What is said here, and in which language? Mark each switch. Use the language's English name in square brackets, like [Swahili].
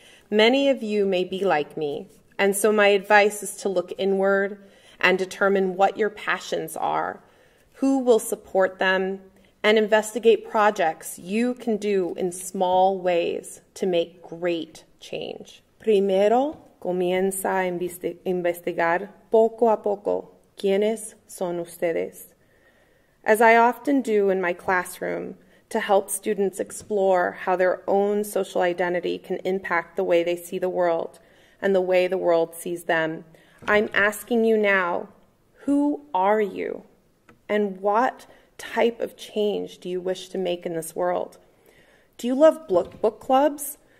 [English] Many of you may be like me, and so my advice is to look inward and determine what your passions are, who will support them, and investigate projects you can do in small ways to make great change. [Spanish] Primero, comienza a investigar poco a poco quiénes son ustedes. [English] As I often do in my classroom to help students explore how their own social identity can impact the way they see the world and the way the world sees them, I'm asking you now, who are you? And what type of change do you wish to make in this world? Do you love book clubs,